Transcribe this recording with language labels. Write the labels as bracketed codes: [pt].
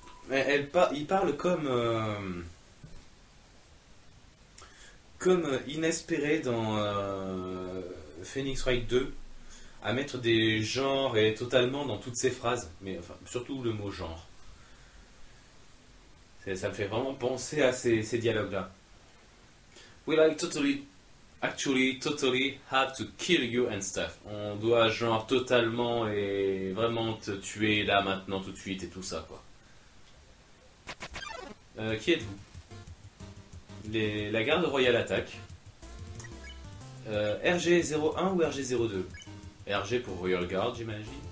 [fr] Il parle comme comme inespéré dans Phoenix Wright 2, à mettre des genres et totalement dans toutes ses phrases, mais enfin, surtout le mot genre. Ça me fait vraiment penser à ces dialogues-là. [en] We like totally, actually totally have to kill you and stuff. [fr] On doit genre totalement et vraiment te tuer là maintenant tout de suite et tout ça quoi. Qui êtes-vous? La garde royale attaque. RG01 ou RG02? RG pour Royal Guard, j'imagine.